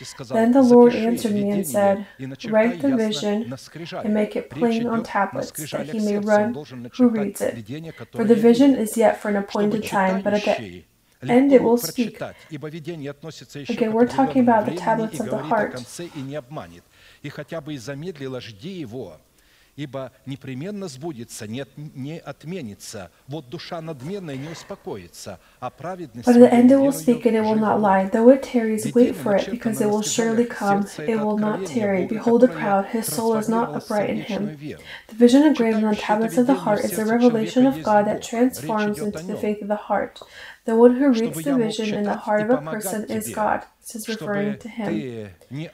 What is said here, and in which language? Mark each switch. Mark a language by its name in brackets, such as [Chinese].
[English] Then the Lord answered me and said, write the vision and make it plain on tablets, that he may run who reads it. For the vision is yet for an appointed time, but at the end it will speak. Again, we're talking about the tablets of the heart. [Russian] И хотя бы и замедлило, жди его, ибо непременно сбудется, нет, не отменится. Вот душа надменная не успокоится, а праведность... [English] But at the end it will speak, and it will not lie. Though it tarries, wait for it, because it will surely come. It will not tarry. Behold the proud, his soul is not upright in him. The vision engraved on the tablets of the heart is the revelation of God that transforms into the faith of the heart. The one who reads the vision in the heart of a person is God. Is referring to him.